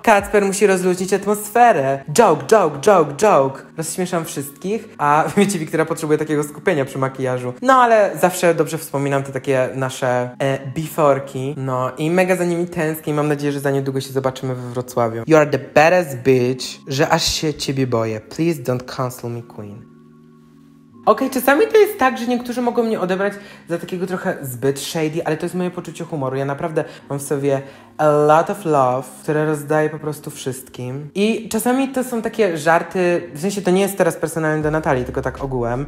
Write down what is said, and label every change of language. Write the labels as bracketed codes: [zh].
[pl] Kacper musi rozluźnić atmosferę. [en] Joke, joke, joke, joke. [pl] Rozśmieszam wszystkich. A wiecie, Wiktoria potrzebuje takiego skupienia przy makijażu. No ale zawsze dobrze wspominam te takie nasze beforki. No i mega za nimi tęsknię. Mam nadzieję, że za niedługo się zobaczymy we Wrocławiu. [en] You are the baddest bitch, [pl] że aż się ciebie boję. [en] Please don't cancel me, queen. [pl] Okej, czasami to jest tak, że niektórzy mogą mnie odebrać za takiego trochę zbyt shady, ale to jest moje poczucie humoru. Ja naprawdę mam w sobie [en] a lot of love, [pl] które rozdaję po prostu wszystkim. I czasami to są takie żarty, w sensie to nie jest teraz personalnie do Natalii, tylko tak ogółem.